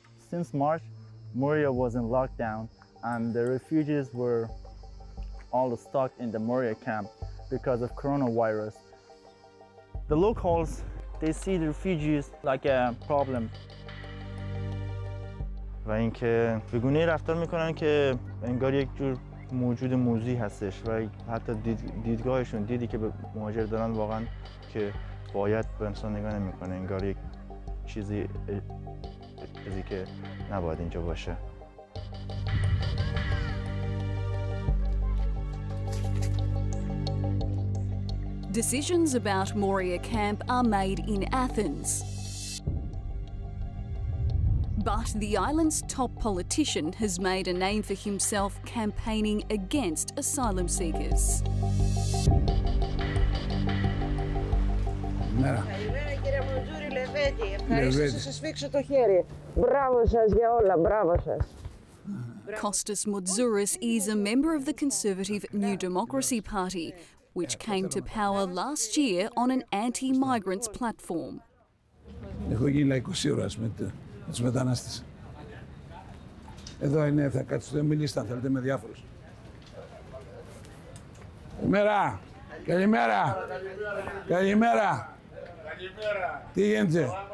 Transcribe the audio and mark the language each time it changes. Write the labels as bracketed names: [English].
[English] Since March, Moria was in lockdown, and the refugees were all stuck in the Moria camp because of coronavirus. The locals, they see the refugees like a problem. [Persian] و اینکه به گونه‌ای رفتار می‌کنن که انگار یک جور موجود موزی هستش و حتی دیدگاهشون دیدی که به مهاجر دارن واقعا که باید به انسان نگاه نمیکنه انگار یک چیزی که نباید اینجا باشه. [English] Decisions about Moria camp are made in Athens. But the island's top politician has made a name for himself campaigning against asylum seekers. [Greek] Καλημέρα κύριε Μουντζούρη Λεβέντη, ευχαριστώ που σας σφίξω το χέρι. Μπράβο σας για όλα, μπράβο σας. [English] Κώστας Μουντζούρης is a member of the Conservative New Democracy Party, which came to power last year on an anti-migrants platform. [Greek] Έχω γίνει λαϊκός ήρωας με το... Τους μετανάστες. Εδώ είναι, θα κάτσω, δεν μιλήστε αν θέλετε, με διάφορους. Καλημέρα. Καλημέρα. Καλημέρα. Καλημέρα. Τι γίνεται.